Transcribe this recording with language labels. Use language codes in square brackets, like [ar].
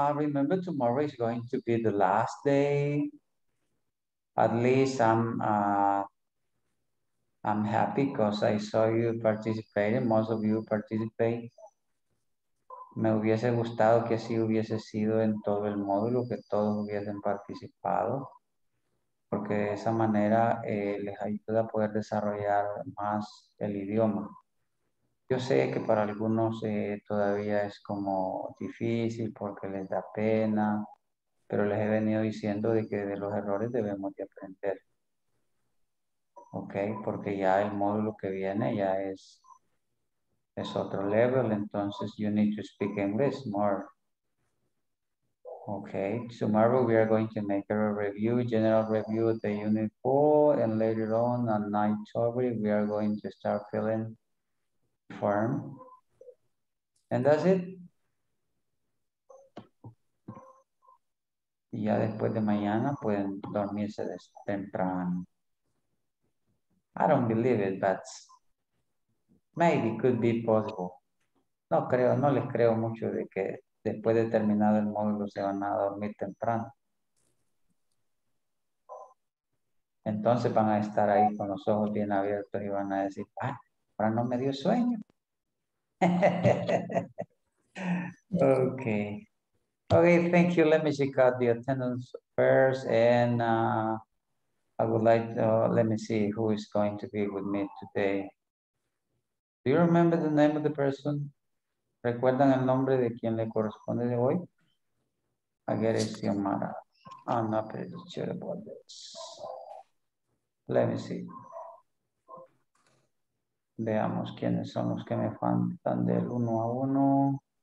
[en] Remember, tomorrow is going to be the last day. At least I'm happy because I saw you participating. Most of you participate. [es] Me hubiese gustado que así hubiese sido en todo el módulo, que todos hubiesen participado. Porque de esa manera les ayuda a poder desarrollar más el idioma. Yo sé que para algunos todavía es como difícil porque les da pena, pero les he venido diciendo de que de los errores debemos de aprender. Ok, porque ya el módulo que viene ya es otro level, entonces [en] you need to speak English more. Ok, tomorrow we are going to make a review, general review of the unit 4, and later on 9th October, we are going to start filling form. And that's it. [es] Y ya después de mañana pueden dormirse temprano. [en] I don't believe it, but maybe it could be possible. [es] No creo, no les creo mucho de que después de terminar el módulo se van a dormir temprano. Entonces van a estar ahí con los ojos bien abiertos y van a decir, ah, ahora no me dio sueño. [en] Okay. Okay, thank you. Let me check out the attendance first. And I would like to, let me see who is going to be with me today. Do you remember the name of the person? [es] ¿Recuerdan el nombre de quien le corresponde de hoy? [en] I get it, [es] Xiomara. [en] I'm not pretty sure about this. Let me see. [es] Veamos quiénes son los que me faltan del uno a uno.